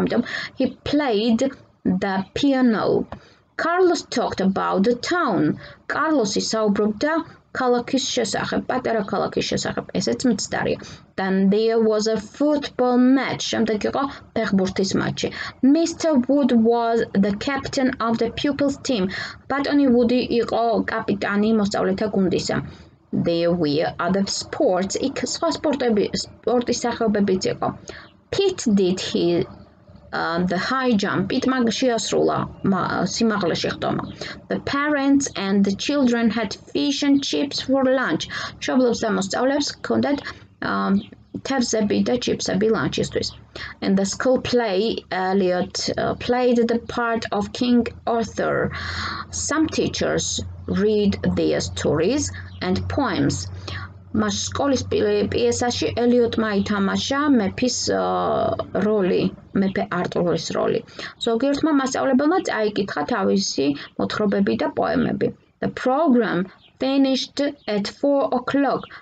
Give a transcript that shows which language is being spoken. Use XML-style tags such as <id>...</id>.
<ka>ამიტომ</ka> <en>he played the piano. Carlos talked about the town.</en> <ka>კარლოსი საუბრობდა ქალაქის შესახებ, პატარა ქალაქის შესახებ. ესეც მცდარია.</ka> <en>Then there was a football match.</en> <ka>შემდეგ იყო ფეხბურთის მატჩი.</ka> <en>Mr. Wood was the captain of the pupils team.</en> <ka>ბატონი ვუდი იყო კაპიტანი მოსწავლეთა გუნდისა.</ka> <en>There were other sports.</en> <ka>იქ სხვა სპორტები, სპორტის სახეობებიც იყო.</ka> <en>Pete did his the high jump. Pete</en> <ka>მაგ შეასრულა სიმაღლეში ხტომა.</ka> <en>The parents and the children had fish and chips for lunch.</en> <ka>მშობლებს და მოსწავლეებს ჰქონდათ თევზები და ჩიფსები ლანჩისთვის.</ka> <en>And the school play Elliot played the part of King Arthur. Some teachers read their stories and poems.</en> <ka>მას სკოლის პიესაში ელიოტმა ითამაშა მეფის როლი, მეფე არტურის როლი. ზოგიერთმა მასწავლებელმა წაიკითხა თავისი მოთხრობები და პოემები.</ka> <en>The program finished at 4 o'clock.</en>